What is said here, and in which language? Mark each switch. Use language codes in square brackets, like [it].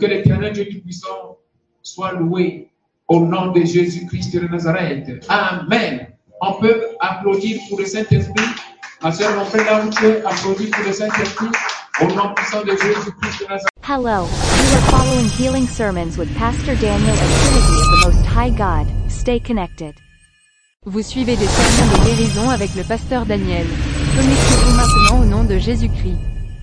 [fr] Que l'Éternel Dieu Tout-Puissant soit loué au nom de Jésus-Christ de Nazareth. Amen. On peut applaudir pour le Saint-Esprit. Ma soeur, mon frère, là où tu es, applaudis pour le Saint-Esprit. [en] Hello, you are following Healing Sermons with Pastor Daniel of Trinity of the Most High God. Stay connected. [fr] Vous suivez des sermons de guérison avec le pasteur Daniel. Connectez-vous maintenant au nom de Jésus-Christ.